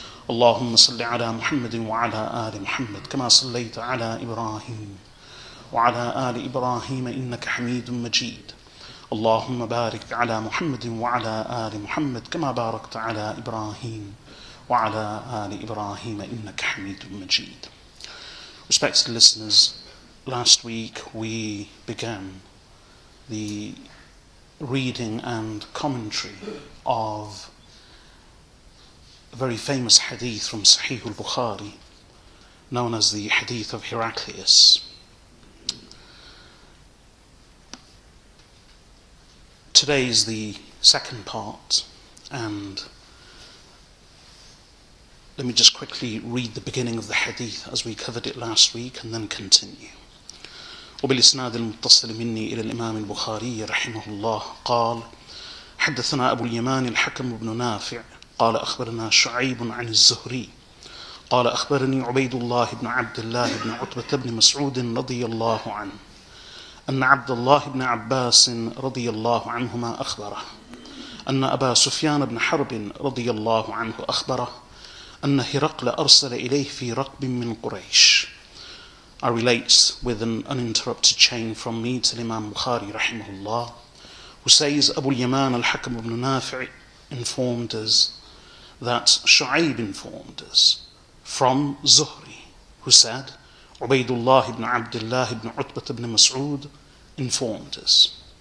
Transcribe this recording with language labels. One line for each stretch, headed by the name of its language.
Arabic: اللهم صل على محمد وعلى آل محمد كما صليت على إبراهيم وعلى آل إبراهيم إنك حميد مجيد اللهم بارك على محمد وعلى آل محمد كما باركت على إبراهيم وعلى آل إبراهيم إنك حميد مجيد.
English: Respected listeners, last week we began the reading and commentary of a very famous hadith from Sahih al-Bukhari, known as the Hadith of Heraclius. Today is the second part, and let me just quickly read the beginning of the hadith as we covered it last week, and then continue.
Arabic: وبالإسناد المتصل مني إلى الإمام البخاري رحمه الله قال حدثنا أبو اليمان الحكم بن نافع قال أخبرنا شعيب عن الزهري قال أخبرني عبيد الله بن عبد الله بن عتبة بن مسعود رضي الله عنه أن عبد الله بن عباس رضي الله عنهما أخبره أن أبا سفيان بن حرب رضي الله عنه أخبره أن هرقل أرسل إليه في رقب من قريش.
English: I relate with an uninterrupted chain from me to Imam Bukhari
Arabic: رحمه الله,
English: who says أبو اليمان الحكم بن نافع informed us that Shu'ayb informed us from Zuhri, who said, Ubaydullah ibn Abdullah ibn Utbah ibn Mas'ud informed us.